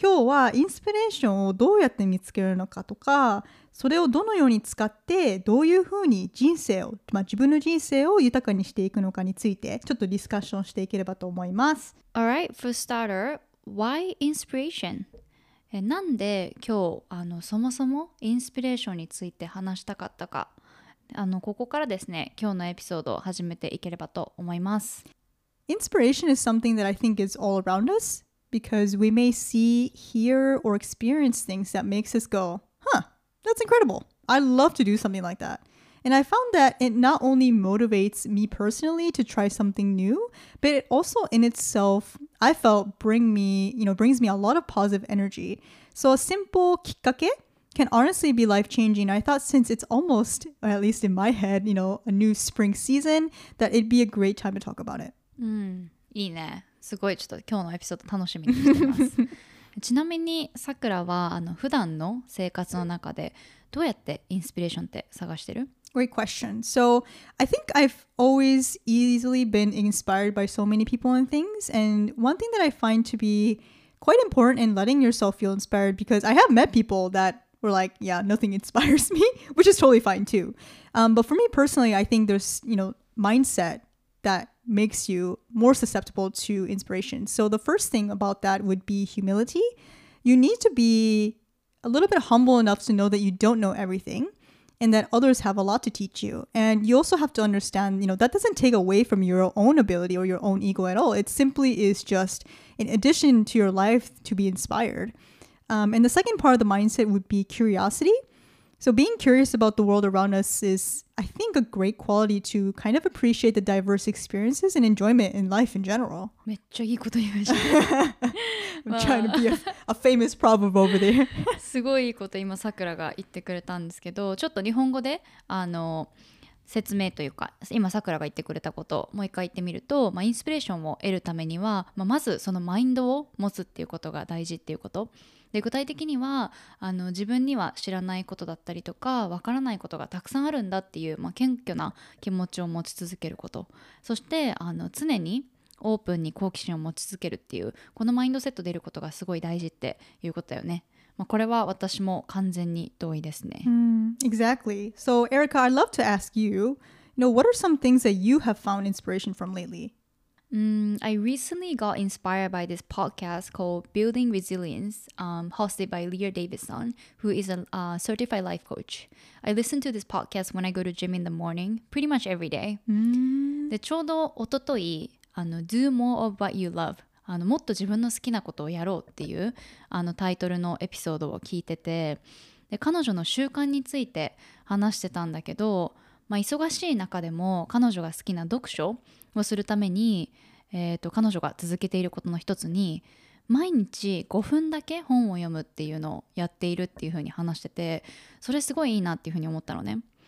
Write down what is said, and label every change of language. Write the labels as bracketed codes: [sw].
[ja] 今日はインスピレーションをどうやって見つけるのかとか、それをどのように使ってどういうふうに人生を、まあ、自分の人生を豊かにしていくのかについてちょっとディスカッションしていければと思います。 [en] All right, for starter,Why inspiration? [ja] なんで今日そもそもインスピレーションについて話したかったか、ここからですね、今日のエピソードを始めていければと思います。 [en] Inspiration is something that I think is all around us because we may see, hear, or experience things that makes us go, huh, that's incredible. I love to do something like that. And I found that it not only motivates me personally to try something new, but it also in itself, I felt brings me a lot of positive energy. So a simple きっかけ can honestly be life-changing. I thought since it's almost, at least in my head, a new spring season, that it'd be a great time to talk about it. [ja] いいね。すごいちょっと今日のエピソード楽しみにしてます。ちなみにさくらは普段の生活の中でどうやってインスピレーションって探してる？ [en] Great question. So I think I've always easily been inspired by so many people and things. And one thing that I find to be quite important in letting yourself feel inspired, because I have met people that were like, yeah, nothing inspires me, which is totally fine too. But for me personally, I think there's, mindset that makes you more susceptible to inspiration. So the first thing about that would be humility. You need to be a little bit humble enough to know that you don't know everything. And that others have a lot to teach you. And you also have to understand, that doesn't take away from your own ability or your own ego at all. It simply is just an addition to your life to be inspired. And the second part of the mindset would be curiosity. So being curious about the world around us is, I think, a great quality to kind of appreciate the diverse experiences and enjoyment in life in general. [ja] めっちゃいいこと言いました。 [en] I'm trying to be a famous proverb over there. [ja] すごいいいこと今さくらが言ってくれたんですけど、ちょっと日本語で説明というか、今さくらが言ってくれたことをもう一回言ってみると、まあ、インスピレーションを得るためには、まあ、まずそのマインドを持つっていうことが大事っていうこと。で、具体的には自分には知らないことだったりとか、わからないことがたくさんあるんだっていう、まあ、謙虚な気持ちを持ち続けること。そして常にオープンに好奇心を持ち続けるっていう、このマインドセット出ることがすごい大事っていうことだよね。まあ、これは私も完全に同意ですね。 [en] Exactly. So, Erica, I'd love to ask you, what are some things that you have found inspiration from lately? I recently got inspired by this podcast called Building Resilience, hosted by Lear Davidson, who is a certified life coach. I listen to this podcast when I go to gym in the morning, pretty much every day. [ja] で、ちょうどおととい、 [en] Do More of What You Love. [ja] もっと自分の好きなことをやろうっていうタイトルのエピソードを聞いてて、で彼女の習慣について話してたんだけど、まあ、忙しい中でも彼女が好きな読書をするために、彼女が続けていることの一つに毎日5分だけ本を読むっていうのをやっているっていうふうに話してて、それすごいいいなっていうふうに思ったのね。